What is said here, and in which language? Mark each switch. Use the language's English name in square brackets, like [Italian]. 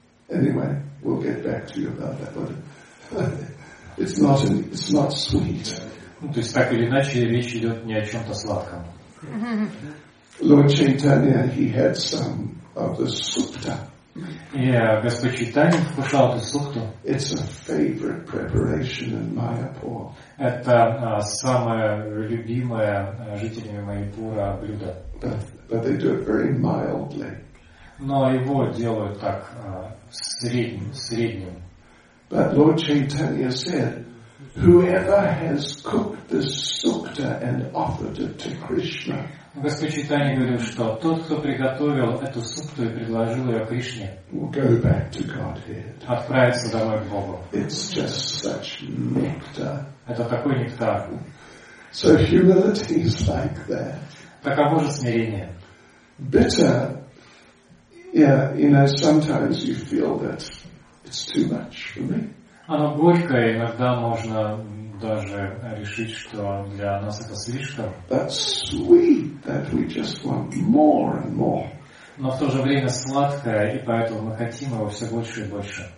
[English] anyway, we'll get back to you about that. But it's not sweet. [Russian] Ну, то есть так или иначе речь идет не о чем-то сладком. [English] Lord Chaitanya, he had some of the sukta. [Russian] Yeah, Господь Чайтанья вкушал эту сукту. [English] It's a favorite preparation in Mayapur. [Russian] Это самое любимое жителями Майпура блюдо. [English] But they do it very mildly. [Russian] Но его делают так средним. [English] But Lord Chaitanya said, whoever has cooked the sukta and offered it to Krishna. [Russian] Господь Чайтанья говорил, что тот, кто приготовил эту сукту и предложил ее Кришне, [English] will go back to Godhead. [Russian] Отправится домой к Богу. [English] It's just such nectar. [Russian] Это такой нектар. [English] So humility is like that. [Russian] Таково же смирение. [English] Bitter. Yeah, you know, sometimes you feel that it's too much for me. [Russian] Оно горькое, иногда можно даже решить, что для нас это слишком. [English] That's sweet, that we just want more and more. [Russian] Но в то же время сладкое, и поэтому мы хотим его все больше и больше.